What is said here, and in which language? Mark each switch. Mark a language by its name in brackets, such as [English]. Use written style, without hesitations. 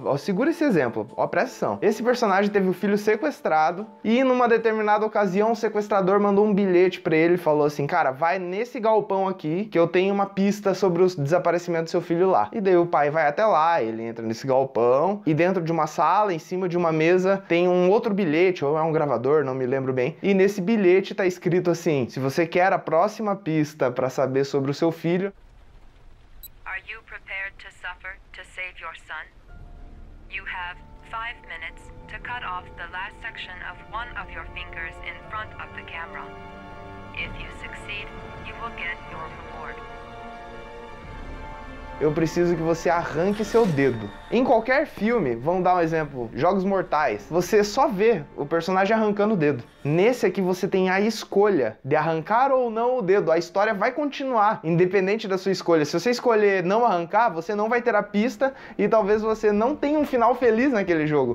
[Portuguese] Ó, segura esse exemplo, ó, presta atenção. Esse personagem teve o filho sequestrado e numa determinada ocasião o sequestrador mandou um bilhete pra ele e falou assim, cara, vai nesse galpão aqui que eu tenho uma pista sobre o desaparecimento do seu filho lá. E daí o pai vai até lá, ele entra nesse galpão e dentro de uma sala, em cima de uma mesa, tem um outro bilhete, ou é um gravador, não me lembro bem. E nesse bilhete tá escrito assim, se você quer a próxima pista pra saber sobre o seu filho... [English] Are you prepared to suffer to save your son? You have 5 minutes to cut off the last section of one of your fingers in front of the camera. If you succeed, you will get your reward. [Portuguese] Eu preciso que você arranque seu dedo. Em qualquer filme, vamos dar um exemplo, Jogos Mortais, você só vê o personagem arrancando o dedo. Nesse aqui você tem a escolha de arrancar ou não o dedo. A história vai continuar, independente da sua escolha. Se você escolher não arrancar, você não vai ter a pista e talvez você não tenha um final feliz naquele jogo.